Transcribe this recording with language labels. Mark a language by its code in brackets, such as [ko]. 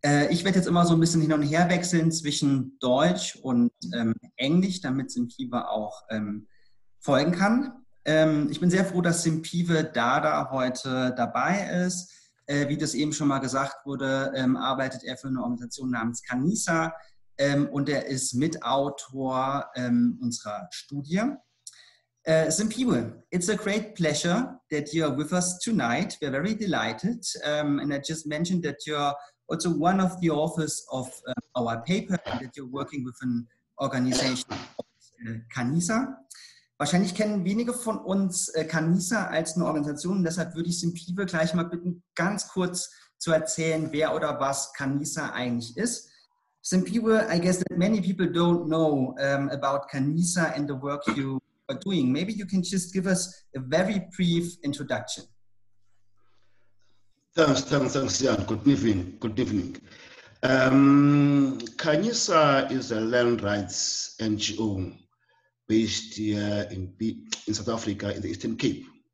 [de] Ich werde jetzt immer so ein bisschen hin und her wechseln zwischen Deutsch und Englisch, damit Simpiwe auch folgen kann. Ich bin sehr froh, dass Simpiwe Dada heute dabei ist. Wie das eben schon mal gesagt wurde, arbeitet er für eine Organisation namens Canisa und er ist Mitautor unserer Studie. [en] Simpiwe, it's a great pleasure that you're with us tonight. We're very delighted. And I just mentioned that you're also one of the authors of our paper and that you're working with an organization called Canisa. [de] Wahrscheinlich kennen wenige von uns Canisa als eine Organisation. Deshalb würde ich Simpiwe gleich mal bitten, ganz kurz zu erzählen, wer oder was Canisa eigentlich ist. [en] Simpiwe, I guess that many people don't know about Canisa and the work you are doing. Maybe you can just give us a very brief introduction. Thanks, Jan. Good evening. Canisa is a land rights NGO based here in South Africa, in the Eastern Cape.